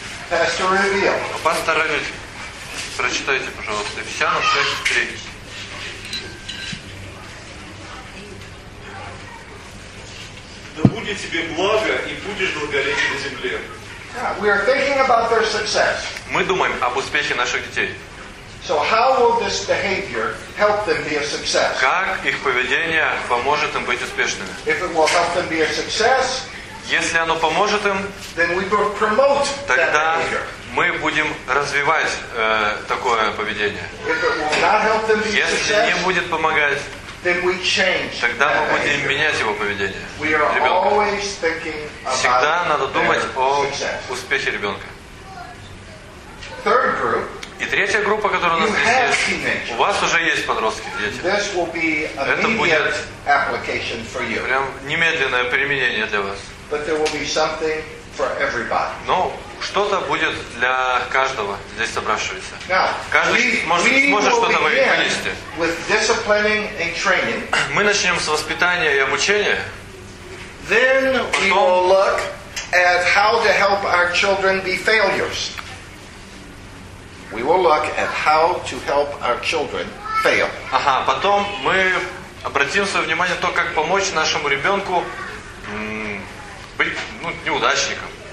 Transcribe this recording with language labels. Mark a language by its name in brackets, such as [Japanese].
[English] Pastor Reveal. [Russian] Пастор Ревил, прочитайте, пожалуйста, Ephesians 6:3. Да будет тебе благо и будешь долголетен на земле. [English] We are thinking about their success. [Russian] Мы думаем об успехе наших детей. [English] So how will this behavior help them be a success? [Russian] Как их поведение поможет им быть успешными? [English] If it will help them be a success, [Russian] если оно поможет им, тогда мы будем развивать такое поведение. Если не будет помогать, тогда мы будем менять его поведение ребенка. Всегда надо думать о успехе ребенка. И третья группа, которая у нас здесь есть, у вас уже есть подростки, дети. Это будет прям немедленное применение для вас. [English] But there will be something for everybody. [Russian] Но что-то будет для каждого здесь собравшегося. [English] Now, [Russian] каждый сможет что-то вынести. [English] With disciplining and training. [Russian] Мы начнем с воспитания и обучения. [English] Then we will look at how to help our children be failures. We will look at how to help our children fail. [Russian] Ага, потом мы обратим свое внимание на то, как помочь нашему ребенку быть, ну, неудачником.